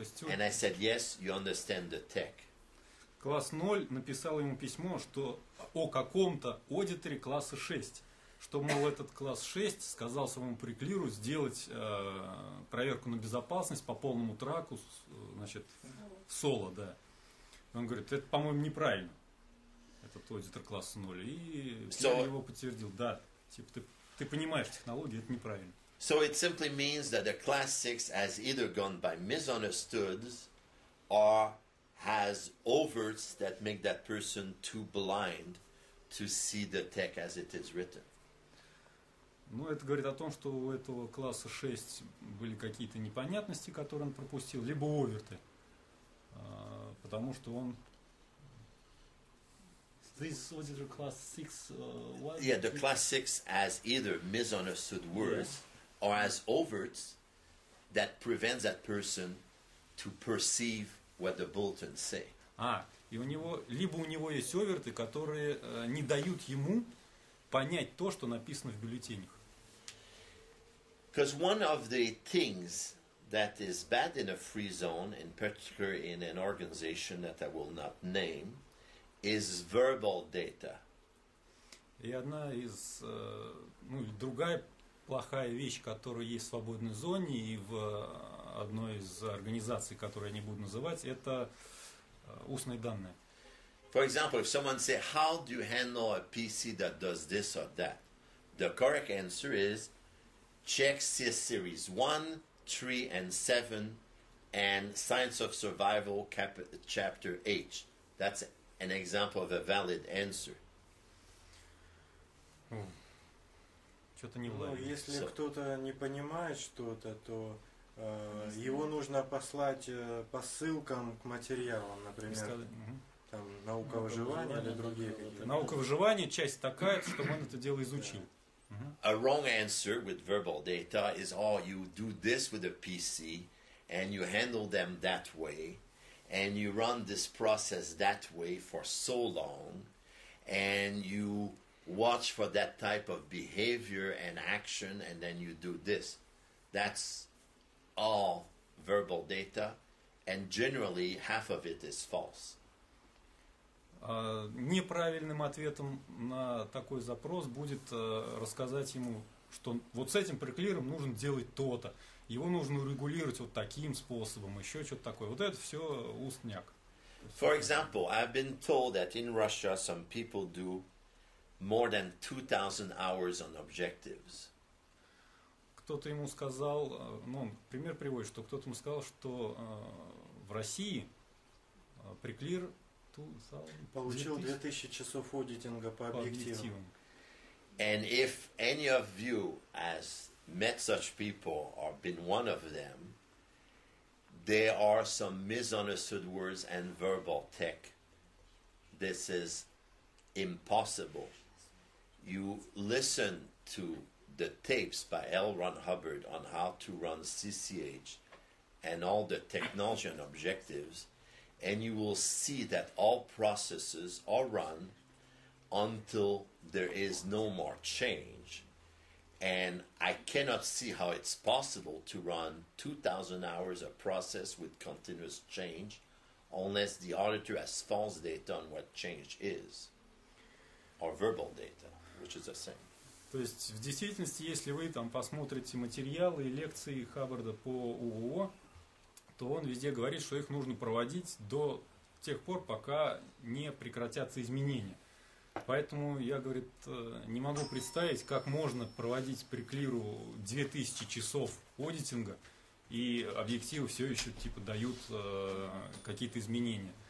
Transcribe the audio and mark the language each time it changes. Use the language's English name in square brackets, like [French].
[English] And I said, yes, you understand the tech. [Russian] Класс 0 написал ему письмо, что о каком-то аудиторе класса 6, что, мол, этот класс 6 сказал своему преклиру сделать проверку на безопасность по полному траку, значит, соло, да. Он говорит, это, по-моему, неправильно, этот аудитор класса 0. И я его подтвердил, да, типа, ты понимаешь технологию, это неправильно. [English] So it simply means that the class 6 has either gone by misunderstood or has overts that make that person too blind to see the tech as it is written. [Russian] Ну, это говорит о том, что у этого класса 6 были какие-то непонятности, которые он пропустил, либо оверты, потому что он... [English] This was the class 6... Yeah, the class 6 has either misunderstood words... Yes. Or as overts that prevents that person to perceive what the bulletin say. [Russian] А, и у него, либо у него есть оверты, которые не дают ему понять то, что написано в бюллетенях. [English] Because one of the things that is bad in a free zone, in particular in an organization that I will not name, is verbal data. [Russian] И одна из, ну, другая плохая вещь, которая есть в свободной зоне и в одной из организаций, которую я не буду называть, это устные данные. [English] For example, if someone say, how do you handle a PC that does this or that? The correct answer is, check C-Series 1, 3, and 7, and Science of Survival Chapter H. That's an example of a valid answer. [Russian] Что-то не влияет. Ну, если кто-то не понимает что-то, то его нужно послать по ссылкам к материалам, например, там, наука выживания или другие какие-то. Наука выживания — часть такая, чтобы он это дело изучил. [English] A wrong answer with verbal data is, oh, you do this with a PC, and you handle them that way, and you run this process that way for so long, and you watch for that type of behavior and action, and then you do this. That's all verbal data, and generally half of it is false. [Russian] Неправильным ответом на такой запрос будет рассказать ему, что вот с этим преклиром нужно делать то-то, его нужно урегулировать вот таким способом, еще что-то такое. Вот это все устняк. [English] For example, I've been told that in Russia some people do more than 2,000 hours on objectives. [Russian] Кто-то ему сказал, ну, пример приводит, что кто-то ему сказал, что в России преклир получил 2,000 часов аудитинга по объективам. [English] And if any of you has met such people or been one of them, there are some misunderstood words and verbal tech. This is impossible. You listen to the tapes by L. Ron Hubbard on how to run CCH and all the technology and objectives, and you will see that all processes are run until there is no more change. And I cannot see how it's possible to run 2,000 hours of process with continuous change unless the auditor has false data on what change is, or verbal data, which is the same. [Russian] То есть, в действительности, если вы там посмотрите материалы и лекции Хаббарда по ООО, то он везде говорит, что их нужно проводить до тех пор, пока не прекратятся изменения. Поэтому я, говорит, не могу представить, как можно проводить при Клиру 2000 часов аудитинга, и объективы все еще типа дают какие-то изменения.